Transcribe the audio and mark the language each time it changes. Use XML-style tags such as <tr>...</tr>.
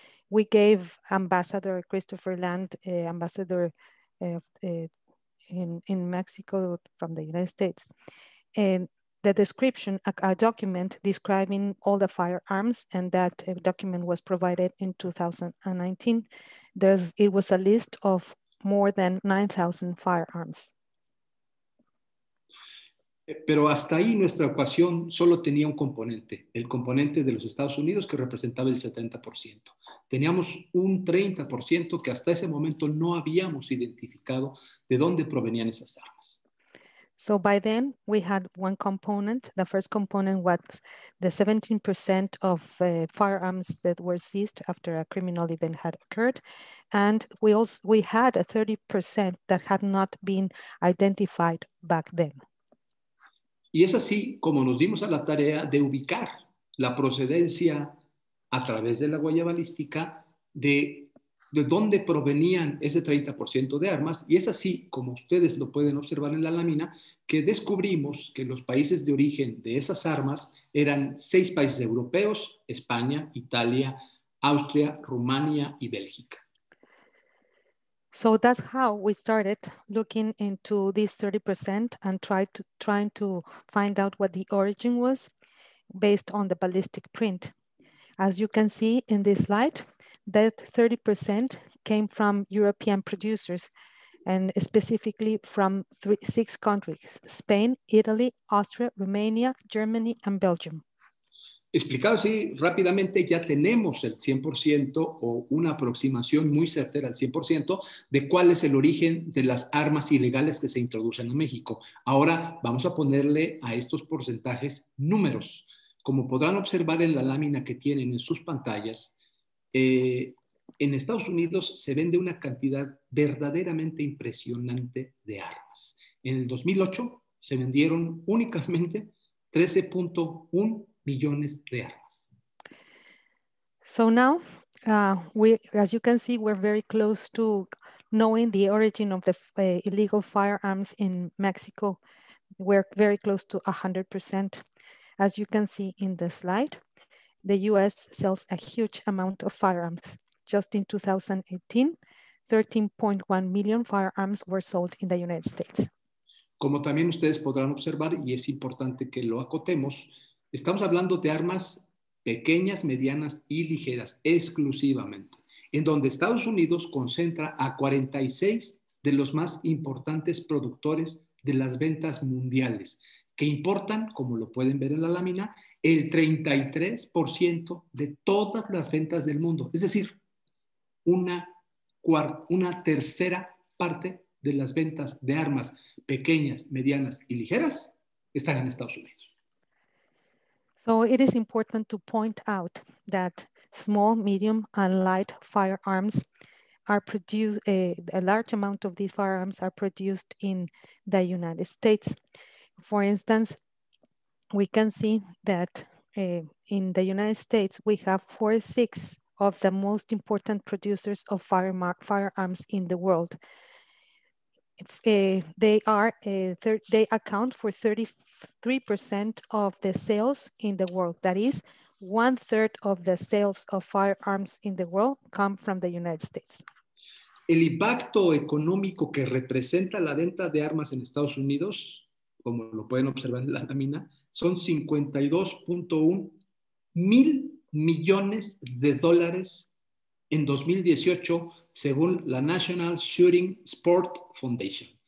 <en>We gave Ambassador Christopher Land, Ambassador in Mexico from the United States, and the description, a document describing all the firearms, and that document was provided in 2019. It was a list of more than 9,000 firearms.</en> <es>Pero hasta ahí nuestra ecuación solo tenía un componente, el componente de los Estados Unidos, que representaba el 70%. Teníamos un 30% que hasta ese momento no habíamos identificado de dónde provenían esas armas.</es> <en>So by then we had one component. The first component was the 17% of firearms that were seized after a criminal event had occurred. And we had a 30% that had not been identified back then.</en> <es>Y es así como nos dimos a la tarea de ubicar la procedencia a través de la huella balística de dónde provenían ese 30% de armas. Y es así, como ustedes lo pueden observar en la lámina, que descubrimos que los países de origen de esas armas eran 6 países europeos: España, Italia, Austria, Rumania y Bélgica.</es> <en>So that's how we started looking into this 30% and trying to find out what the origin was based on the ballistic print. As you can see in this slide, that 30% came from European producers, and specifically from 6 countries: Spain, Italy, Austria, Romania, Germany, and Belgium.</en> <es>Explicado así rápidamente, ya tenemos el 100% o una aproximación muy certera al 100% de cuál es el origen de las armas ilegales que se introducen en México. Ahora vamos a ponerle a estos porcentajes números. Como podrán observar en la lámina que tienen en sus pantallas, en Estados Unidos se vende una cantidad verdaderamente impresionante de armas. En el 2008 se vendieron únicamente 13.1 millones de armas.</es> <en>So now, as you can see, we're very close to knowing the origin of the illegal firearms in Mexico. We're very close to 100%. As you can see in the slide, the U.S. sells a huge amount of firearms. Just in 2018, 13.1 million firearms were sold in the United States.</en> <es>Como también ustedes podrán observar, y es importante que lo acotemos, estamos hablando de armas pequeñas, medianas y ligeras, exclusivamente, en donde Estados Unidos concentra a 46 de los más importantes productores de las ventas mundiales, que importan, como lo pueden ver en la lámina, el 33% de todas las ventas del mundo. Es decir, una tercera parte de las ventas de armas pequeñas, medianas y ligeras están en Estados Unidos.</es> <en>So it is important to point out that small, medium, and light firearms are produced, a large amount of these firearms are produced in the United States. For instance, we can see that in the United States, we have 46 of the most important producers of firearms in the world. They account for 33% of the sales in the world. That is, one third of the sales of firearms in the world come from the United States.</en> <es>El impacto económico que representa la venta de armas en Estados Unidos, como lo pueden observar en la lámina, son 52.1 mil millones de dólares en 2018, según la National Shooting Sport Foundation.</es>